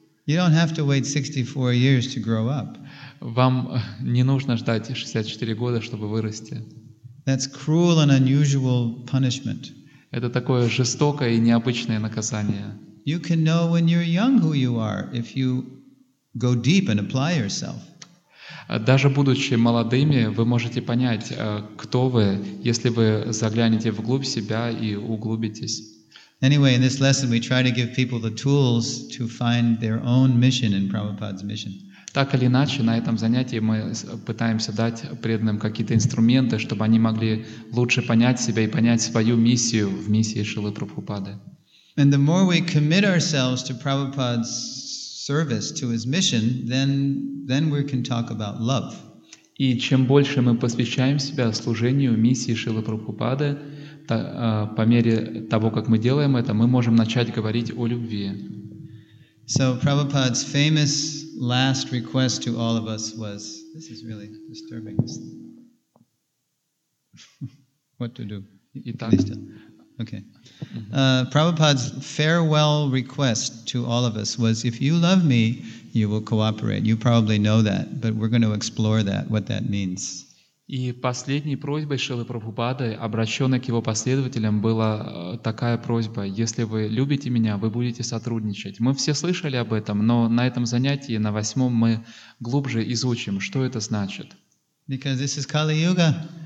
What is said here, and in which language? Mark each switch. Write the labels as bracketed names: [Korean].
[English] You don't have to wait 64 years to grow up. [Russian] Вам не нужно ждать 64 года, чтобы вырасти. [English] That's cruel and unusual punishment. [Russian] Это такое жестокое и необычное наказание. [English] You can know when you're young who you are if you go deep and apply yourself. [Russian] Даже будучи молодыми, вы можете понять, кто вы, если вы заглянете вглубь себя и углубитесь. [English] Anyway, in this lesson, we try to give people the tools to find their own mission in Prabhupada's mission. [Russian] Так или иначе, на этом занятии мы пытаемся дать преданным какие-то инструменты, чтобы они могли лучше понять себя и понять свою миссию в миссии Шрилы Прабхупады. [English] And the more we commit ourselves to Prabhupada's service, to his mission, then we can talk about love. [Russian] И чем больше мы посвящаем себя служению миссии Шрилы Прабхупады, по мере того, как мы делаем это, мы можем начать говорить о любви. [English] So Prabhupada's famous last request to all of us was, this is really disturbing. What to do? [Russian] Итак. [English] Okay. Prabhupada's farewell request to all of us was, if you love me, you will cooperate. You probably know that, but we're going to explore that, what that means. [Russian] И последней просьбой Шрилы Прабхупады, обращенной к его последователям, была такая просьба: «Если вы любите меня, вы будете сотрудничать». Мы все слышали об этом, но на этом занятии, на восьмом, мы глубже изучим, что это значит. [English] Because this is Kali-Yuga.